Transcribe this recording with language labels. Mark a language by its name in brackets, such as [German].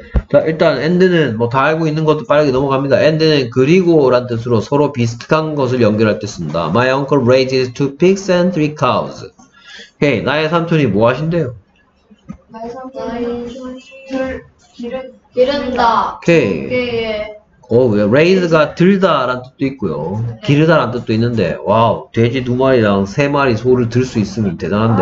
[Korean] 자, 일단 and는 뭐 다 알고 있는 것도 빠르게 넘어갑니다. and는 그리고 라는 뜻으로 서로 비슷한 것을 연결할 때 씁니다. [English] My uncle raises two pigs and three cows. [Korean] 오케이. 나의 삼촌이 뭐 하신대요? 나의 삼촌이 기른다. 오케이. 오, 왜? raise가 들다 라는 뜻도 있고요. 기르다 라는 뜻도 있는데, 와우, 돼지 두 마리랑 세 마리 소를 들 수 있으면 대단한데.